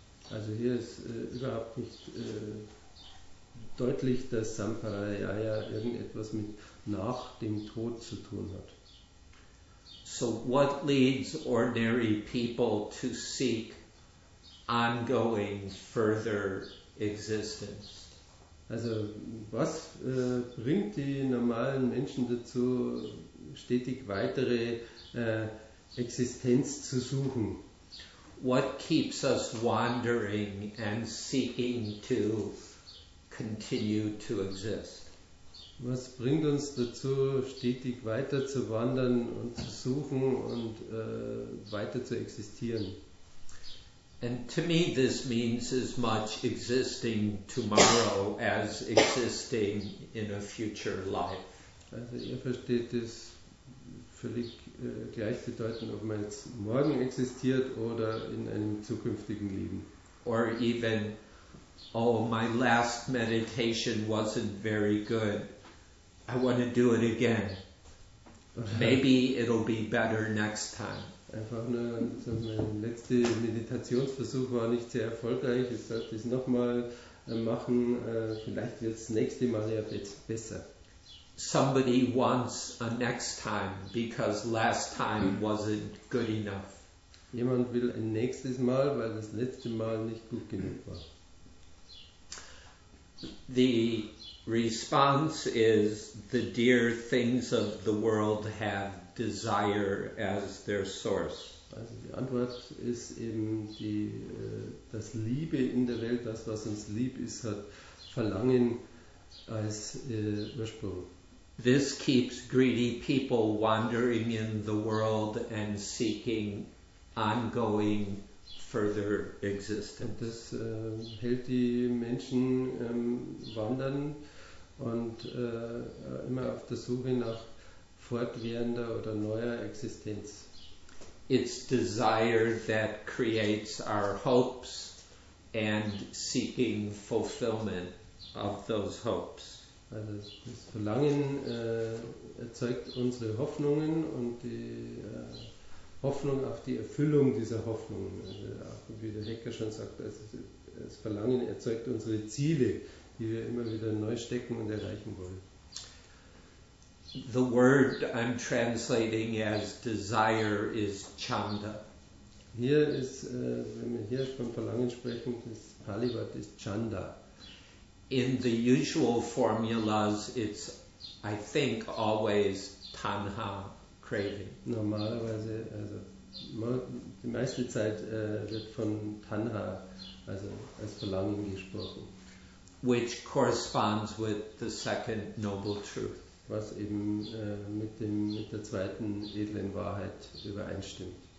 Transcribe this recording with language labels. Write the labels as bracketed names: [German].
[German] Also hier ist überhaupt nicht deutlich, dass samparayaya irgendetwas mit nach dem Tod zu tun hat. [English] So what leads ordinary people to seek ongoing further existence? [German] Also was bringt die normalen Menschen dazu, stetig weitere Existenz zu suchen? [English] what keeps us wandering and seeking to continue to exist? [German] Was bringt uns dazu, stetig weiter zu wandern und zu suchen und weiter zu existieren? [English] And to me this means as much existing tomorrow as existing in a future life. [German] Also ihr versteht das völlig gleichbedeutend, ob man jetzt morgen existiert oder in einem zukünftigen Leben. [English] Or even, oh, my last meditation wasn't very good. I want to do it again. Maybe it'll be better next time. [German] Einfach nur, so mein letzter Meditationsversuch war nicht sehr erfolgreich. Ich sollte es nochmal machen. Vielleicht wird es nächste Mal ja besser. [English] Somebody wants a next time because last time wasn't good enough. [German] Jemand will ein nächstes Mal, weil das letzte Mal nicht gut genug war. [English] The response is the dear things of the world have desire as their source. [German] Also die Antwort ist eben die das Liebe in der Welt, das was uns lieb ist, hat Verlangen als Ursprung. [English] This keeps greedy people wandering in the world and seeking ongoing further existence. [German] Und das hält die Menschen wandern und immer auf der Suche nach fortwährender oder neuer Existenz. [English] It's desire that creates our hopes and seeking fulfillment of those hopes. [German] Also das Verlangen erzeugt unsere Hoffnungen und die Hoffnung auf die Erfüllung dieser Hoffnungen. Also auch wie der Hecker schon sagt, das Verlangen erzeugt unsere Ziele, die wir immer wieder neu stecken und erreichen wollen. [English] The word I'm translating as desire is chanda. [German] Hier ist, wenn wir hier von Verlangen sprechen, das Pali-Wort ist chanda. [English] In the usual formulas, it's, I think, always tanha, craving. [German] Normalerweise, also die meiste Zeit wird von tanha, also als Verlangen gesprochen. [English] Which corresponds with the second noble truth. [German] Was eben mit der zweiten edlen Wahrheit übereinstimmt.